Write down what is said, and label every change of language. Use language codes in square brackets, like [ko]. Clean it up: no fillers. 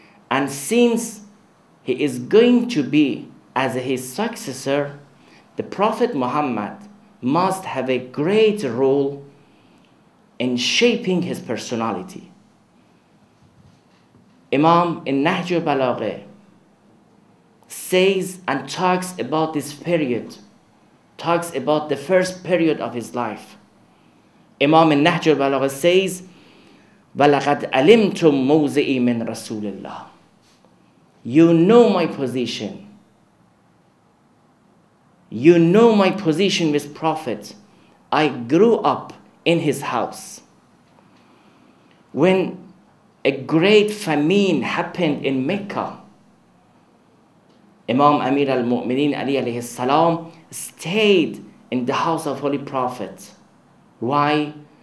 [en] And since he is going to be as his successor, the Prophet Muhammad must have a great role in shaping his personality. Imam in Nahjul Balagha says and talks about this period, talks about the first period of his life. Imam in Nahjul Balagha says, [ar] وَلَقَدْ عَلِمْتُمْ مَوْزِئِ مِنْ رَسُولِ اللَّهِ. [en] You know my position. You know my position with Prophet. I grew up in his house. When a great famine happened in Mecca, Imam Amir al-Mu'minin Ali alayhi salam stayed in the house of Holy Prophet. Why?